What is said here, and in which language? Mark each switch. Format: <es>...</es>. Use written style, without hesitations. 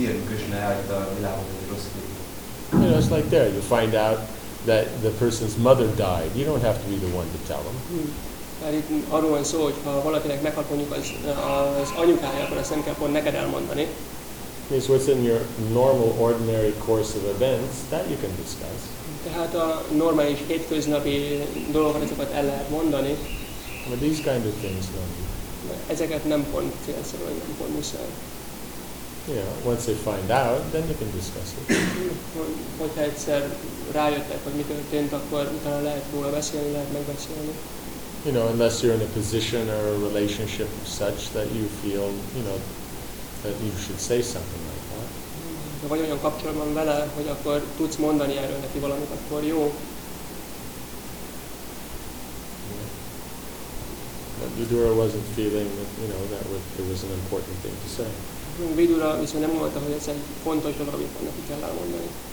<en>It's like there, you find out that the person's mother died. You don't have to be the one to tell them. Means what's in your normal, ordinary course of events, that you can discuss.</en> <hu>Tehát a normális hétköznapi dolgokat, ezeket el lehet mondani.</hu> <en>But these kind of things don't.</en> <hu>Ezeket nem pont célszerűen, nem pont muszáj.</hu> <en>Yeah, once they find out, then you can discuss it.</en> <hu>Hogyha egyszer rájöttek, hogy mi történt, akkor utána lehet róla beszélni, lehet megbeszélni.</hu> <en>You know, unless you're in a position or a relationship such that you feel, that you should say something like that.</en> <hu>De vagy olyan kapcsolatban vele, hogy akkor tudsz mondani erről neki valamit, akkor jó.</hu> <en>But Vidura wasn't feeling that, that it was an important thing to say.</en> <hu>Vidura viszont nem mondta, hogy ez egy fontos dolog, amit neki kell elmondani.</hu>